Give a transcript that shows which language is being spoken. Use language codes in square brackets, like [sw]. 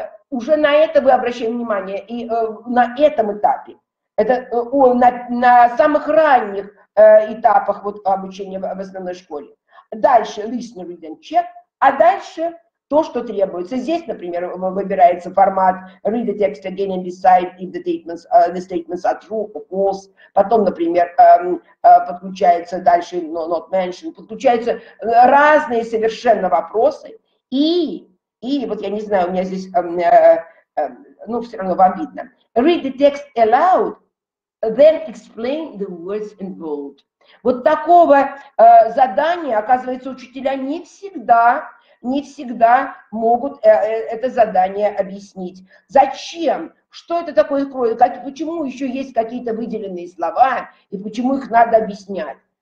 [ru] Уже на это вы обращаем внимание, и на этом этапе. Это на самых ранних этапах вот, обучения в основной школе. Дальше [en] listen, read and check, [ru] а дальше то, что требуется. Здесь, например, выбирается формат [en] read the text again and decide if the statements are true or false. [ru] Потом, например, подключается дальше [en] not mentioned, [ru] подключаются разные совершенно вопросы. И вот я не знаю, у меня здесь, ну, все равно вам видно. [en] Read the text aloud. Then explain the words involved. [ru] Вот такого задания, оказывается, учителя не всегда могут это задание объяснить. Зачем? Что это такое кроет? Почему еще есть какие-то выделенные слова и почему их надо объяснять?